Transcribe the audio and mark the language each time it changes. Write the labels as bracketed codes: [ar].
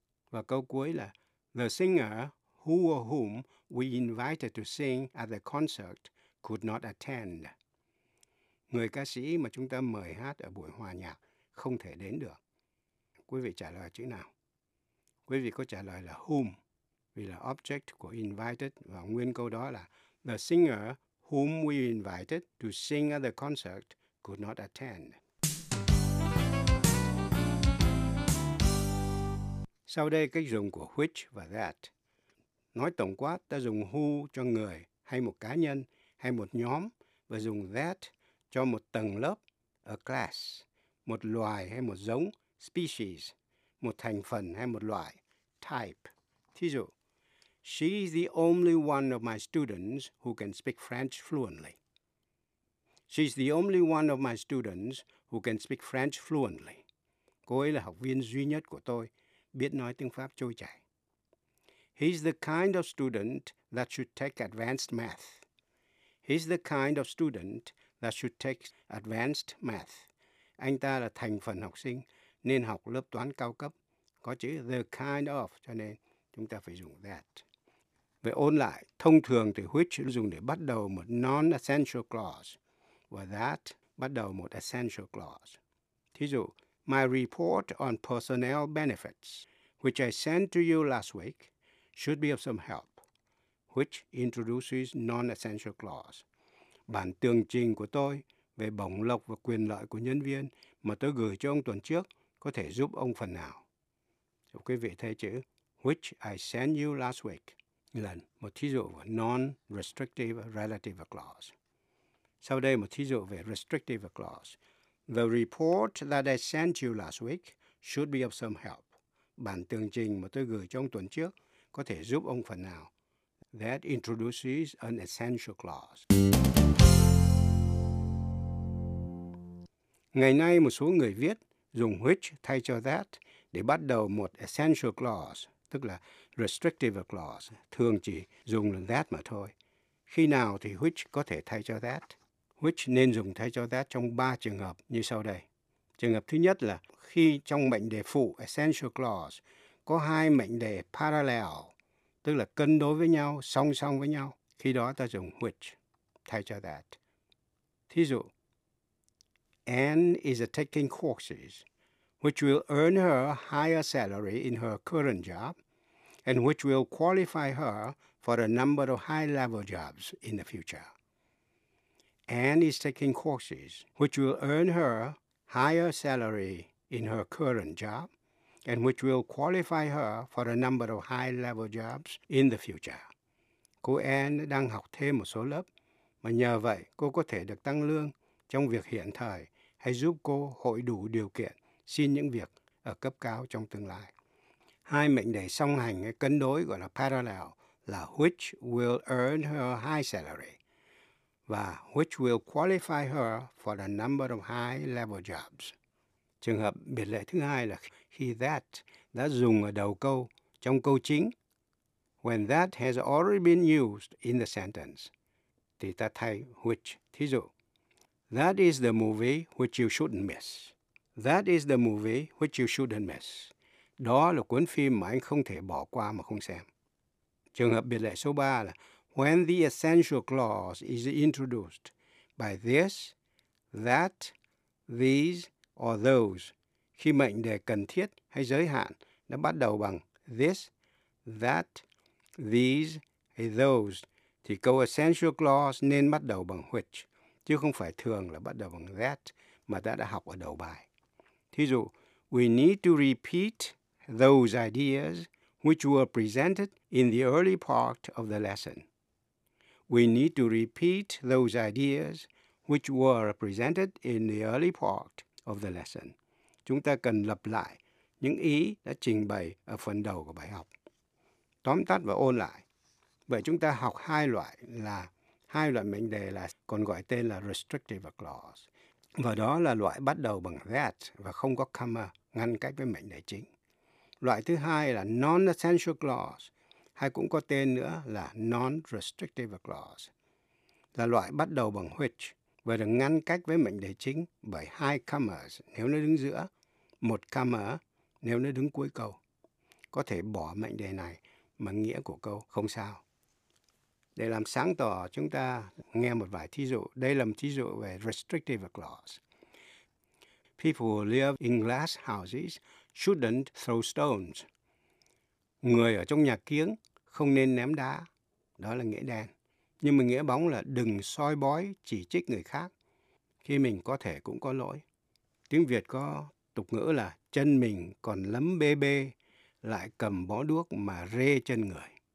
[vi] Và câu cuối là [en] the singer who or whom we invited to sing at the concert could not attend. [vi] Người ca sĩ mà chúng ta mời hát ở buổi hòa nhạc không thể đến được. Quý vị trả lời chữ nào? Quý vị có trả lời là whom, vì là object của invited, và nguyên câu đó là [en] the singer whom we invited to sing at the concert could not attend. [vi] Sau đây cách dùng của which và that. Nói tổng quát, ta dùng who cho người hay một cá nhân hay một nhóm, và dùng that cho một tầng lớp, a class, một loài hay một giống, species, một thành phần hay một loại, type. Thí dụ, [en] she is the only one of my students who can speak French fluently. She is the only one of my students who can speak French fluently. [vi] Cô ấy là học viên duy nhất của tôi, biết nói tiếng Pháp trôi chảy. [en] He's the kind of student that should take advanced math. He's the kind of student that should take advanced math. [vi] Anh ta là thành phần học sinh nên học lớp toán cao cấp. Có chữ the kind of, cho nên chúng ta phải dùng that. Vậy ôn lại, thông thường thì which dùng để bắt đầu một non-essential clause và that bắt đầu một essential clause. Thí dụ, [en] my report on personnel benefits, which I sent to you last week, should be of some help, which introduces non-essential clause. [vi] Bản tường trình của tôi về bổng lộc và quyền lợi của nhân viên mà tôi gửi cho ông tuần trước có thể giúp ông phần nào. Thì quý vị thấy chữ [en] which I sent you last week [vi] là một thí dụ của non-restrictive relative clause. Sau đây một thí dụ về restrictive clause. [en] The report that I sent you last week should be of some help. [vi] Bản tường trình mà tôi gửi cho ông tuần trước có thể giúp ông phần nào. [en] That introduces an essential clause. [vi] Ngày nay một số người viết dùng which thay cho that để bắt đầu một essential clause, tức là restrictive clause, thường chỉ dùng that mà thôi. Khi nào thì which có thể thay cho that? Which nên dùng thay cho that trong 3 trường hợp như sau đây. Trường hợp thứ nhất là khi trong mệnh đề phụ essential clause có hai mệnh đề parallel, tức là cân đối với nhau, song song với nhau, khi đó ta dùng which thay cho that. [en] Thí dụ, Anne is taking courses which will earn her higher salary in her current job and which will qualify her for a number of high-level jobs in the future. Anne is taking courses which will earn her higher salary in her current job and which will qualify her for a number of high-level jobs in the future. [vi] Cô Anne đang học thêm một số lớp, mà nhờ vậy cô có thể được tăng lương trong việc hiện thời hay giúp cô hội đủ điều kiện xin những việc ở cấp cao trong tương lai. Hai mệnh đề song hành hay cân đối gọi là [en] parallel là which will earn her high salary [vi] và [en] which will qualify her for a number of high-level jobs. [vi] Trường hợp biệt lệ thứ hai là khi that đã dùng ở đầu câu trong câu chính. [en] When that has already been used in the sentence, [vi] thì ta thay [en] which. [vi] Thí dụ, [en] that is the movie which you shouldn't miss. That is the movie which you shouldn't miss. [vi] Đó là cuốn phim mà anh không thể bỏ qua mà không xem. Trường hợp biệt lệ số 3 là [en] when the essential clause is introduced by this, that, these, or those, [vi] khi mệnh đề cần thiết hay giới hạn đã bắt đầu bằng this, that, these, hay those, thì câu essential clause nên bắt đầu bằng which, chứ không phải thường là bắt đầu bằng that mà ta đã học ở đầu bài. Thí dụ, [en] we need to repeat those ideas which were presented in the early part of the lesson. We need to repeat those ideas which were presented in the early part of the lesson. [vi] Chúng ta cần lặp lại những ý đã trình bày ở phần đầu của bài học. Tóm tắt và ôn lại. Vậy chúng ta học hai loại mệnh đề là còn gọi tên là restrictive clause. Và đó là loại bắt đầu bằng that và không có comma ngăn cách với mệnh đề chính. Loại thứ hai là non-essential clause, hay cũng có tên nữa là non-restrictive clause, là loại bắt đầu bằng which và được ngăn cách với mệnh đề chính bởi hai commas nếu nó đứng giữa, một comma nếu nó đứng cuối câu. Có thể bỏ mệnh đề này mà nghĩa của câu không sao. Để làm sáng tỏ, chúng ta nghe một vài thí dụ. Đây là một thí dụ về restrictive clause. [en] People who live in glass houses shouldn't throw stones. [vi] Người ở trong nhà kiếng không nên ném đá. Đó là nghĩa đen. Nhưng mà nghĩa bóng là đừng soi bói, chỉ trích người khác khi mình có thể cũng có lỗi. Tiếng Việt có tục ngữ là chân mình còn lấm bê bê, lại cầm bó đuốc mà rê chân người.